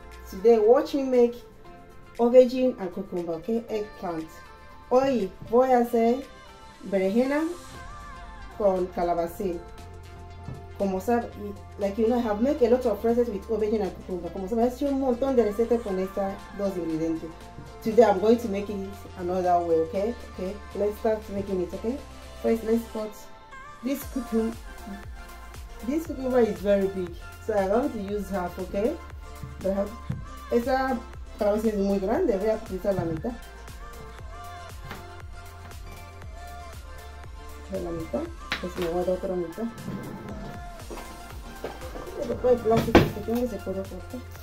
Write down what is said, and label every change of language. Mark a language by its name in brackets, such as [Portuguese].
[English] Today, watch me make aubergine and cucumber, okay? Eggplant. [Spanish] Hoy voy a hacer berenjena con calabacín. Como sabe, [English] like you know, I have made a lot of recipes with aubergine and cucumber. [Spanish] Como sabe, he hecho un montón de recetas con estas dos ingredientes. [English] Today, I'm going to make it another way, okay? Okay, let's start making it, okay? First, let's cut. This cucumber is very big, so I'm going to use half, okay? But half. [Spanish] Esa calabaza es muy grande, voy a utilizar la mitad. De la mitad, pues me voy a dar otra mitad. Y después el plástico que tengo se puede cortar.